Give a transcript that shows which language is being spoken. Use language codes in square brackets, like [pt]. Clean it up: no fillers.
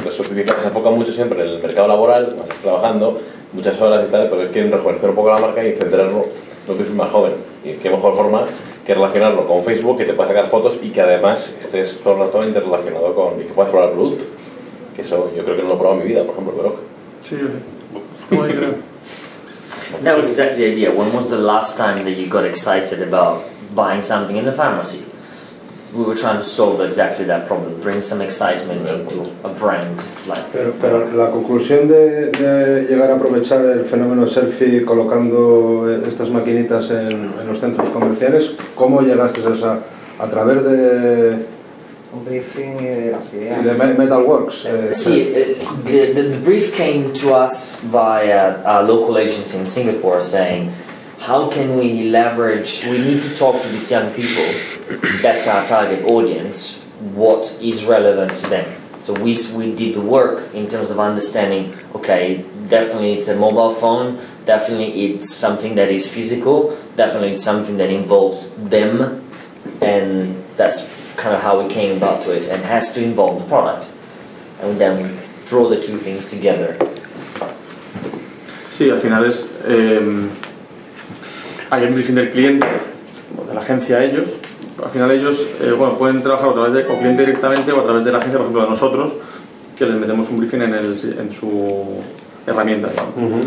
[es] Los suplementos se enfocan mucho siempre en el mercado laboral, cuando estás trabajando muchas horas y tal, pero es que quieren rejuvenecer un poco la marca y centrarlo en lo que es más joven. Y qué mejor forma que relacionarlo con Facebook, que te puedas sacar fotos y que además estés todo el rato interrelacionado con. Y que puedas probar el producto. Que eso yo creo que no lo he probado en mi vida, por ejemplo, el Brock. Sí, yo sé. ¿Cómo hay que [en] That was exactly the idea. When was the last time that you got excited about buying something in the pharmacy? We were trying to solve exactly that problem, bring some excitement to a brand like. [es] Pero la conclusión de llegar a aprovechar el fenómeno selfie colocando estas maquinitas en los centros comerciales, ¿cómo llegaste a esa? A través de un briefing y de las ideas. Y de Metalworks. [en] The brief came to us via a local agency in Singapore saying, how can we leverage, we need to talk to these young people, that's our target audience, what is relevant to them. So we did the work in terms of understanding, okay, definitely it's a mobile phone, definitely it's something that is physical, definitely it's something that involves them, and that's kind of how we came about to it, and has to involve the product, and then draw the two things together. [es] Sí, al final es hay un briefing del cliente, de la agencia a ellos. Al final ellos bueno, pueden trabajar a través del cliente directamente o a través de la agencia, por ejemplo, de nosotros, que les metemos un briefing en su herramienta, ¿no?